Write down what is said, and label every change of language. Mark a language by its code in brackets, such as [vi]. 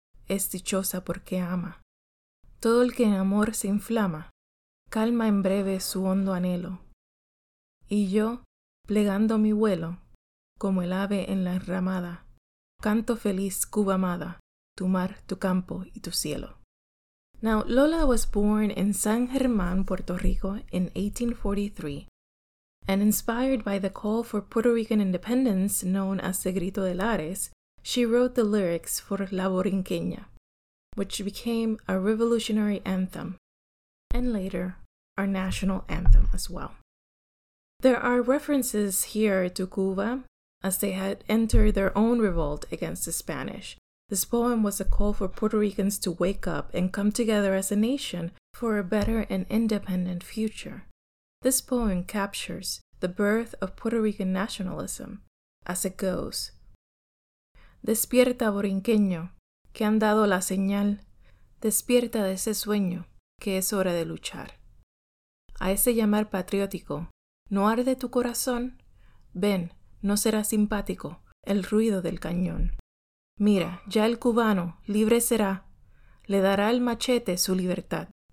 [es] Es dichosa porque ama. Todo el que en amor se inflama calma en breve su hondo anhelo. Y yo, plegando mi vuelo, como el ave en la enramada, canto feliz, Cuba amada, tu mar, tu campo y tu cielo. [en] Now, Lola was born in San Germán, Puerto Rico in 1843, and inspired by the call for Puerto Rican independence known as the Grito de Lares, she wrote the lyrics for La Borinqueña, which became a revolutionary anthem, and later, our national anthem as well. There are references here to Cuba, as they had entered their own revolt against the Spanish. This poem was a call for Puerto Ricans to wake up and come together as a nation for a better and independent future. This poem captures the birth of Puerto Rican nationalism as it goes. [es] Despierta, borinqueño, que han dado la señal. Despierta de ese sueño, que es hora de luchar. A ese llamar patriótico, ¿no arde tu corazón? Ven, no será simpático el ruido del cañón. Mira, ya el cubano libre será. Le dará el machete su libertad.